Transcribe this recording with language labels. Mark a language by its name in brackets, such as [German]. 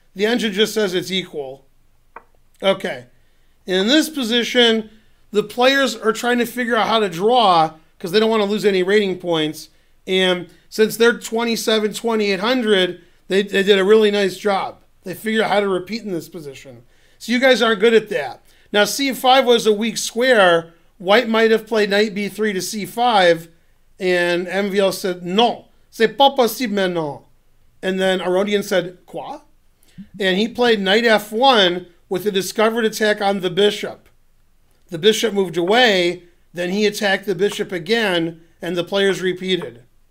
[English] The engine just says it's equal. Okay. In this position, the players are trying to figure out how to draw because they don't want to lose any rating points. And since they're 27,2800, they did a really nice job. They figure out how to repeat in this position. So you guys aren't good at that. Now, c5 was a weak square. White might have played knight b3 to c5. And MVL said, [French] non, c'est pas possible maintenant. [English] And then Aronian said, [French] quoi? [English] And he played knight f1 with a discovered attack on the bishop. The bishop moved away. Then he attacked the bishop again, and the players repeated.